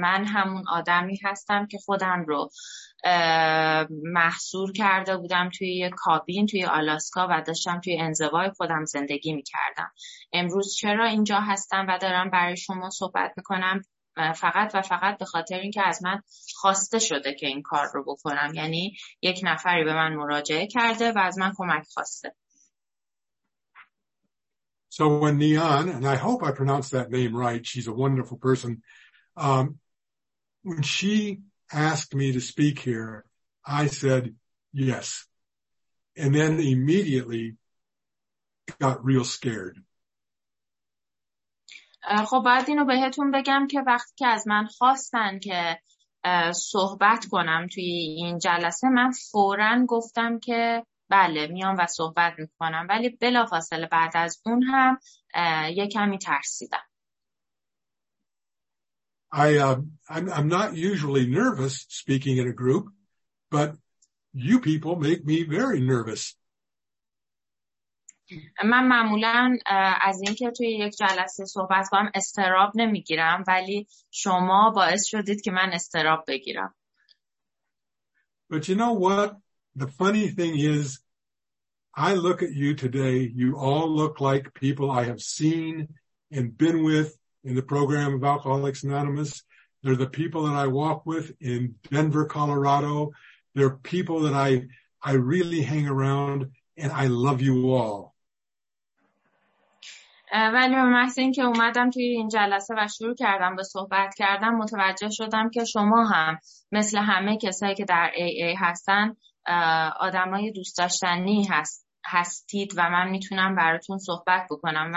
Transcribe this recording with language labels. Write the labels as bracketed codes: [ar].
[fa] من همون آدمی هستم که خودم رو محصور کرده بودم توی یه کابین توی آلاسکا و داشتم توی انزوای خودم زندگی میکردم. امروز چرا اینجا هستم و دارم برای شما صحبت میکنم؟ فقط و فقط به خاطر اینکه از من خواسته شده که این کار رو بکنم. یعنی یک نفری به من مراجعه کرده و از من کمک خواسته. [en] So when Neon, and I hope I pronounced that name right, she's a wonderful person. When she asked me to speak here, I said yes. And then immediately got real scared. [fa] خب باید اینو بهتون بگم که وقتی که از من خواستن که صحبت کنم توی این جلسه، من فوراً گفتم که بله میام و صحبت میکنم، ولی بلافاصله بعد از اون هم یکمی ترسیدم. [en] I'm not usually nervous speaking in a group, but you people make me very nervous. [fa] من معمولا از اینکه توی یک جلسه صحبت کنم استراب نمیگیرم، ولی شما باعث شدید که من استراب بگیرم. [en] But you know what? the funny thing is, I look at you today, you all look like people I have seen and been with in the program of Alcoholics Anonymous. They're the people that I walk with in Denver, Colorado. They're people that I really hang around, and I love you all. [fa] ولی به محض این که اومدم توی این جلسه و شروع کردم به صحبت کردم متوجه شدم که شما هم مثل همه کسایی که در AA هستن آدمای دوست داشتنی هستید و من میتونم براتون صحبت بکنم.